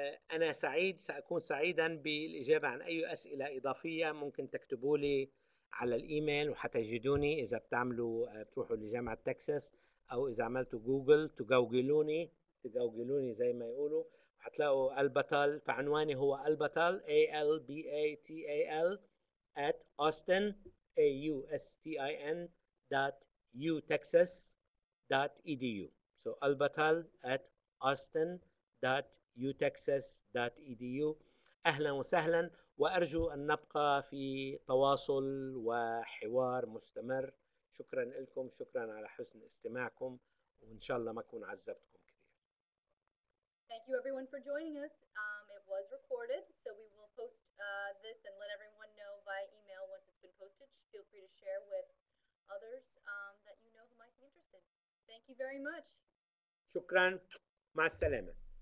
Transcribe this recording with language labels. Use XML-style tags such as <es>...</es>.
<ar>أنا سعيد، سأكون سعيدا بالإجابة عن أي أسئلة إضافية ممكن تكتبوا لي على الإيميل، وحتجدوني إذا بتروحوا لجامعة تكساس، أو إذا عملتوا جوجل تجوجلوني زي ما يقولوا، وحتلاقوا البطل. فعنواني هو</ar> <en>البطل ALBATAL at Austin AUSTIN dot UTexas dot EDU. So البطل at Austin dot UTexas dot EDU.</en> <ar>أهلا وسهلا، وأرجو أن نبقى في تواصل وحوار مستمر. شكرا لكم، شكرا على حسن استماعكم، وإن شاء الله ما أكون عذبتكم.</ar> <en>Thank you everyone for joining us. It was recorded, so we will post this and let everyone know by email once it's been posted. Feel free to share with others that you know who might be interested. Thank you very much.</en> <ar>شكراً، مع السلامة.</ar>